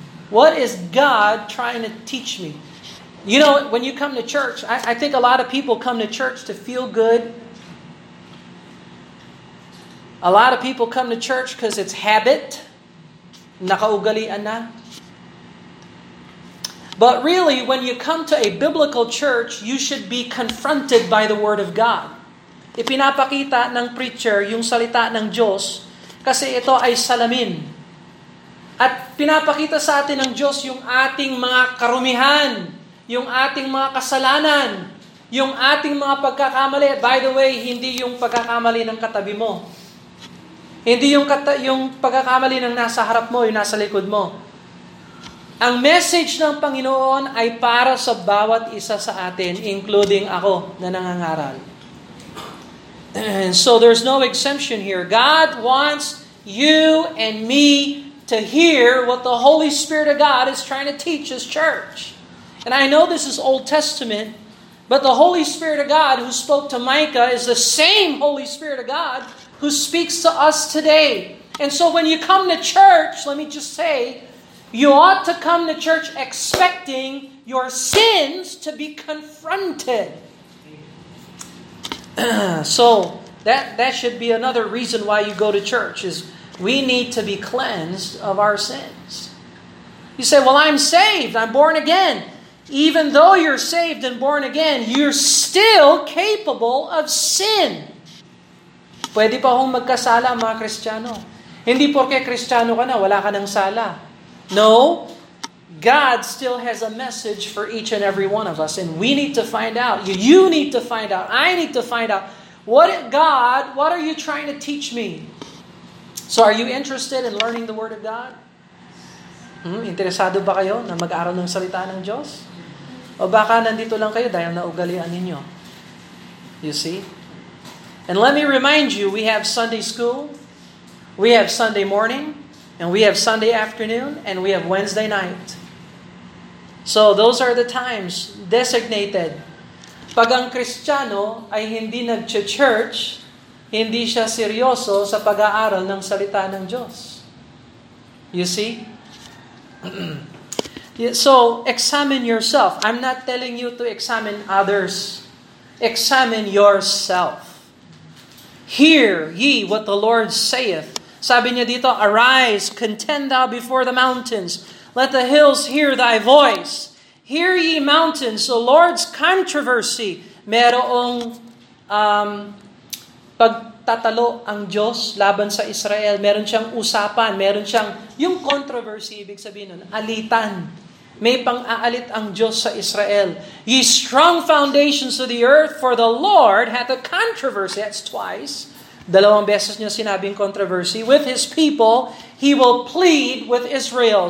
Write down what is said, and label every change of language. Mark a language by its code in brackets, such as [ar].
[en] What is God trying to teach me? You know, when you come to church, I think a lot of people come to church to feel good. A lot of people come to church because it's habit. [tl] Nakaugalian na. [en] But really, when you come to a biblical church, you should be confronted by the Word of God. [tl] Ipinapakita ng preacher yung salita ng Diyos kasi ito ay salamin. At pinapakita sa atin ng Diyos yung ating mga karumihan, yung ating mga kasalanan, yung ating mga pagkakamali. [en] By the way, [tl] hindi yung pagkakamali ng katabi mo. Hindi yung pagkakamali ng nasa harap mo, yung nasa likod mo. Ang message ng Panginoon ay para sa bawat isa sa atin, including ako na nangangaral. [en] And so there's no exemption here. God wants you and me to hear what the Holy Spirit of God is trying to teach His church. And I know this is Old Testament, but the Holy Spirit of God who spoke to Micah is the same Holy Spirit of God who speaks to us today. And so when you come to church, let me just say, you ought to come to church expecting your sins to be confronted. So that should be another reason why you go to church, is we need to be cleansed of our sins. You say, well, I'm saved, I'm born again. Even though you're saved and born again, you're still capable of sin. [tl] Pwede pa hong magkasala ang mga Kristiyano. Hindi porke Kristiyano ka na, wala ka ng sala. [en] No, God still has a message for each and every one of us. And we need to find out. You need to find out. I need to find out. What are you trying to teach me? So are you interested in learning the Word of God? [tl] Interesado ba kayo na mag-aral ng salita ng Diyos? O baka nandito lang kayo dahil naugalian ninyo? [en] You see? And let me remind you, we have Sunday school, we have Sunday morning, and we have Sunday afternoon, and we have Wednesday night. So those are the times designated. [tl] Pag ang Kristiyano ay hindi nag-church, hindi siya seryoso sa pag-aaral ng salita ng Diyos. [en] You see? So, examine yourself. I'm not telling you to examine others. Examine yourself. Hear ye what the Lord saith. [tl] Sabi niya dito, [en] arise, contend thou before the mountains. Let the hills hear thy voice. Hear ye mountains, the Lord's controversy. [tl] Merong pagtatalo ang Diyos laban sa Israel. Meron siyang usapan, meron siyang yung controversy, ibig sabihin nun, alitan. May pang-aalit ang Diyos sa Israel. [en] Ye strong foundations of the earth, for the Lord hath a controversy. That's twice. [tl] Dalawang beses niya sinabing controversy. [en] With His people, He will plead with Israel.